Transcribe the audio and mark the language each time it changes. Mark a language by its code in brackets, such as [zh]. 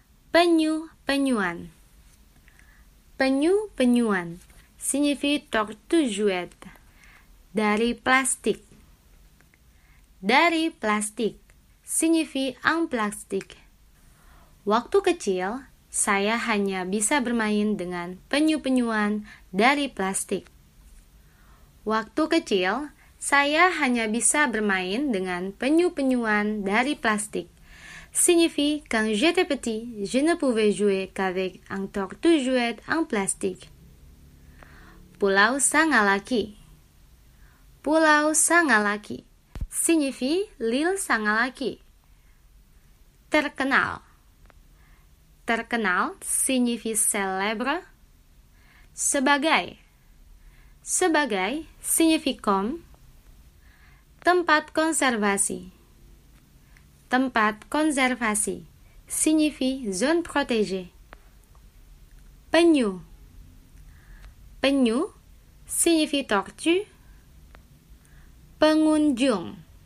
[fr] Penyu-penyuan. Penyu-penyuan signifie tortue-jouette. [id] Dari plastik. [fr] Dari plastik signifie en plastique. [id] Waktu kecil, saya hanya bisa bermain dengan penyu-penyuan dari plastik. Waktu kecil, saya hanya bisa bermain dengan penyu-penyuan dari plastik. [fr] Signifie, quand j'étais petit, je ne pouvais jouer qu'avec un tortue-jouette en plastique. Pulau Sangalaki. Pulau Sangalaki signifie l'île Sangalaki. Terkenal. Terkenal signifie célèbre. Sebagai. Sebagai signifie comme. [id] Tempat conservasi. [fr] Tempat conservasi signifie zone protégée. Penyu. Penyu signifie tortue. Pengunjung.